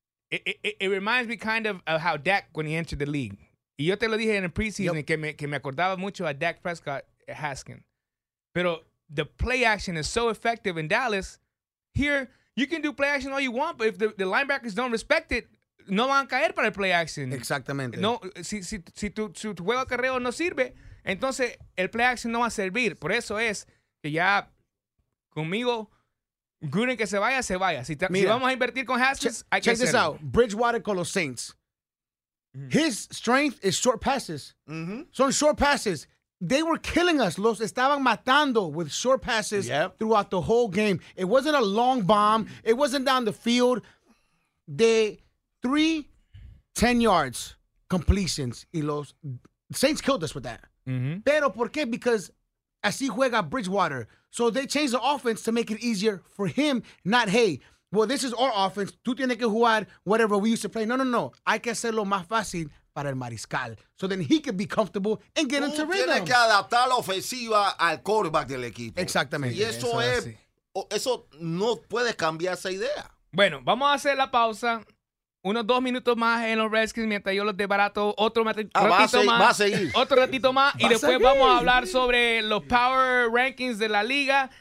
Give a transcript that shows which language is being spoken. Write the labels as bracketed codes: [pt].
[en] It reminds me kind of how Dak, when he entered the league. [es] Y yo te lo dije en el preseason, yep, que me acordaba mucho a Dak Prescott at Haskins. Pero [en] the play action is so effective in Dallas. Here, you can do play action all you want, but if the linebackers don't respect it, [es] no van a caer para el [en] play action. [es] Exactamente. No, si tu juego acarreo no sirve, entonces el play action no va a servir. Por eso es que ya conmigo... Gruden, que se vaya. Si vamos a invertir con Haskins, [en] check this out. Bridgewater [es] con los [en] Saints. His strength is short passes. [es] Son [en] short passes. They were killing us. [es] Los estaban matando [en] with short passes throughout the whole game. It wasn't a long bomb. It wasn't down the field. The 3 10-yard completions. [es] Y los Saints [en] killed us with that. [es] Pero por qué? [en] Because [es] así juega Bridgewater. [en] So they changed the offense to make it easier for him. Not, hey, well, this is our offense. [es] Tú tienes que jugar [en] whatever we used to play. No. [es] Hay que hacerlo más fácil para el mariscal. [en] So then he can be comfortable and get into rhythm. [es] Tienes que adaptar la ofensiva al quarterback del equipo. Exactamente. Y eso no puedes cambiar esa idea. Bueno, vamos a hacer la pausa. unos dos minutos más en los Redskins mientras yo los desbarato. Otro ratito Va a seguir. Otro ratito más. Y después vamos a hablar sobre los power rankings de la liga.